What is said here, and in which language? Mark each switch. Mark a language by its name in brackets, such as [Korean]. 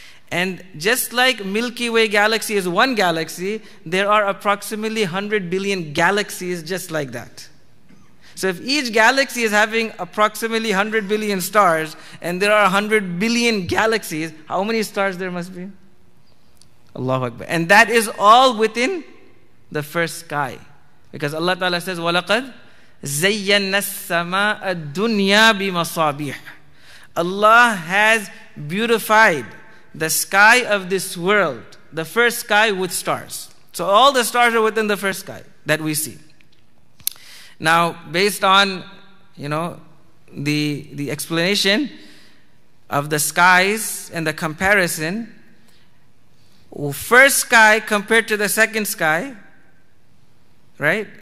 [English] And just like Milky Way galaxy is one galaxy, there are approximately 100 billion galaxies just like that. So if each galaxy is having approximately 100 billion stars, and there are 100 billion galaxies, how many stars there must be? Allahu Akbar. And that is all within the first sky. Because Allah Ta'ala says, [Arabic] وَلَقَدْ زَيَّنَّا السَّمَاءَ الدُّنْيَا بِمَصَابِيحِ. [English] Allah has beautified the sky of this world, the first sky, with stars. So all the stars are within the first sky that we see. Now, based on, you know, the explanation of the skies and the comparison, first sky compared to the second sky, right?